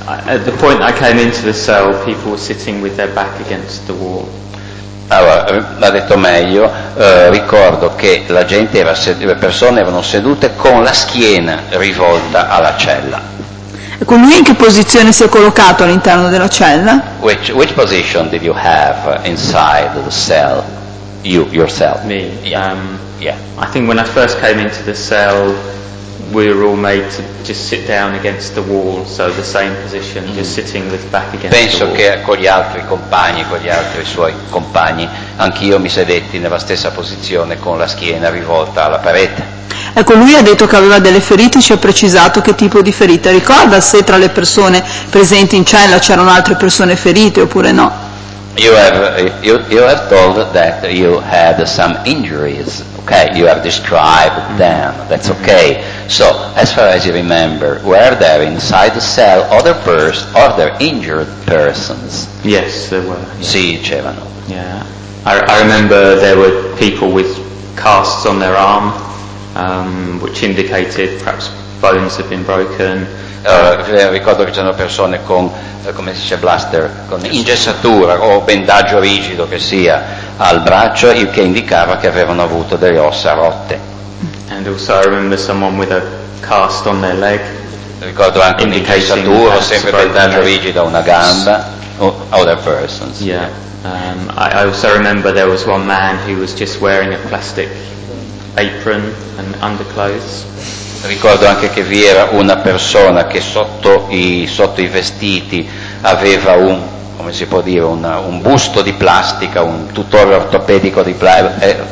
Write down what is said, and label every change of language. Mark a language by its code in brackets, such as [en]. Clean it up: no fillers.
[en] At the point I came into the cell, people were sitting with their back against the wall. [it] Allora, l'ha detto meglio, ricordo che la gente era le persone erano sedute con la schiena rivolta alla cella. E con lui in che posizione si è collocato all'interno della cella? [en] Which position did you have inside the cell? You yourself. Me. I think when I first came into the cell we were all made to just sit down against the wall, so the same position, just sitting with back against [it] Penso [en] the wall. [it] Penso che con gli altri compagni, con gli altri suoi compagni, anch'io mi sedetti nella stessa posizione con la schiena rivolta alla parete. Ecco, lui ha detto che aveva delle ferite, ci ha precisato che tipo di ferita. Ricorda se tra le persone presenti in cella c'erano altre persone ferite oppure no? [en] You have told that you had some injuries. Okay, you have described them. That's okay. So, as far as you remember, were there inside the cell other injured persons? Yes, there were. [it] Sì, c'erano. [en] Yeah. I remember there were people with casts on their arm, which indicated perhaps bones have been broken. [it] Ricordo che c'erano persone con, come si dice, blaster, con ingessatura o bendaggio rigido che sia al braccio, il che indicava che avevano avuto delle ossa rotte. [en] And also I remember someone with a cast on their leg. [it] Ricordo anche un'ingessatura o sempre bendaggio rigido a una gamba. [en] Other persons. Yeah. I also remember there was one man who was just wearing a plastic apron and underclothes. [it] Ricordo anche che vi era una persona che sotto i vestiti aveva un, come si può dire, un busto di plastica, un tutore ortopedico di plastica.